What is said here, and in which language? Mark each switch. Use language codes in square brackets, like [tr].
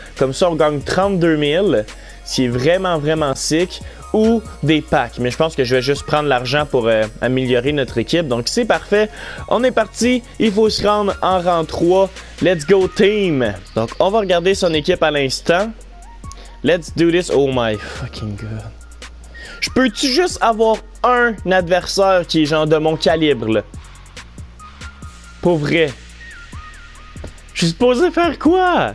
[fr] Comme ça, on gagne 32 000. C'est vraiment, vraiment sick. Ou des packs. Mais je pense que je vais juste prendre l'argent pour améliorer notre équipe. Donc, c'est parfait. On est parti. Il faut se rendre en rang 3. [en] Let's go, team! [fr] Donc, on va regarder son équipe à l'instant. [en] Let's do this, oh my fucking god. [fr] Je peux-tu juste avoir un adversaire qui est genre de mon calibre, là? Pour vrai. Je suis supposé faire quoi?